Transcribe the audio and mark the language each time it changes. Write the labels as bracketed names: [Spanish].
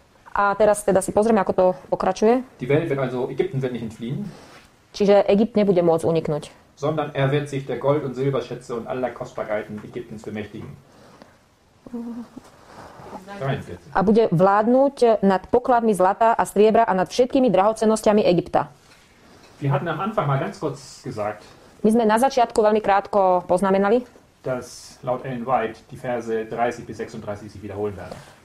[Slovak] A teraz teda si pozrieme, ako to pokračuje. [German] Die Welt wird also, Ägypten wird nicht entfliehen. [Slovak] Čiže Egypt nebude môcť uniknúť. [German] Sondern er wird sich der Gold- und Silberschätze und aller Kostbarkeiten Ägyptens bemächtigen. [Slovak] A bude vládnuť nad pokladmi zlata a striebra a nad všetkými drahocennosťami Egypta. [German] Wir hatten am Anfang mal ganz kurz gesagt, [Slovak] my sme na začiatku veľmi krátko poznamenali, [German] dass laut Ellen White die Verse 30 bis 36 sich wiederholen werden.